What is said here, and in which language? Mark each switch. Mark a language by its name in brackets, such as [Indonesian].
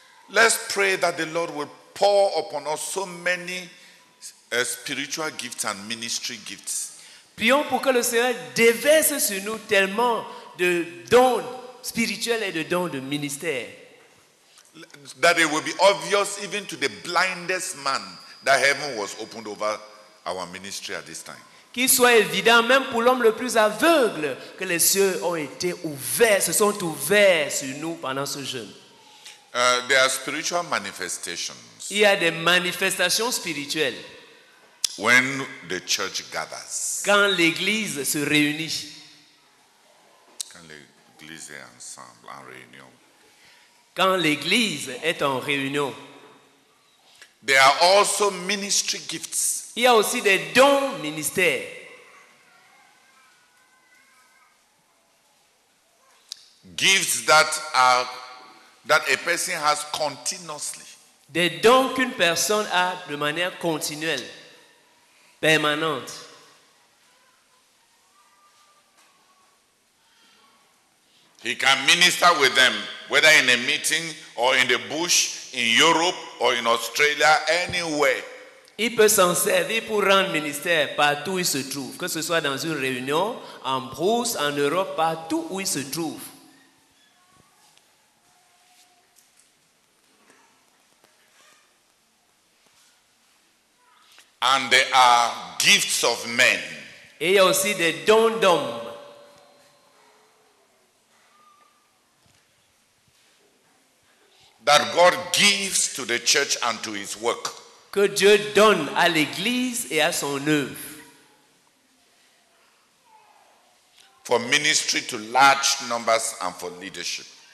[English] Let's pray that the Lord will pour upon us so many spiritual gifts and ministry gifts. [French] Prions pour que le Seigneur déverse sur nous tellement de dons spirituels et de dons de ministère. [English] That it will be obvious even to the blindest man that heaven was opened over our ministry at this time. [French] Qu'il soit évident même pour l'homme le plus aveugle que les cieux ont été ouverts, se sont ouverts sur nous pendant ce jeûne. [English] There are spiritual manifestations. [French] Il y a des manifestations spirituelles. [English] When the church gathers. [French] Quand l'église se réunit. Quand l'église est ensemble en réunion. Quand l'église est en réunion. [English] There are also ministry gifts. [French] Il y a aussi des dons ministères. [English] Gifts that are that a person has continuously. [French] Des dons qu'une personne a de manière continuelle. Permanente. [English] He can minister with them, whether in a meeting or in the bush, in Europe or in Australia, anywhere. [French] Il peut s'en servir pour rendre ministère partout où il se trouve, que ce soit dans une réunion, en brousse, en Europe, partout où il se trouve. [English] And there are gifts of men. [French] Et il y a aussi des dons d'hommes. [English] That God gives to the church and to his work. [French] Que Dieu donne à l'église et à son œuvre. [English] For ministry to large numbers and for leadership.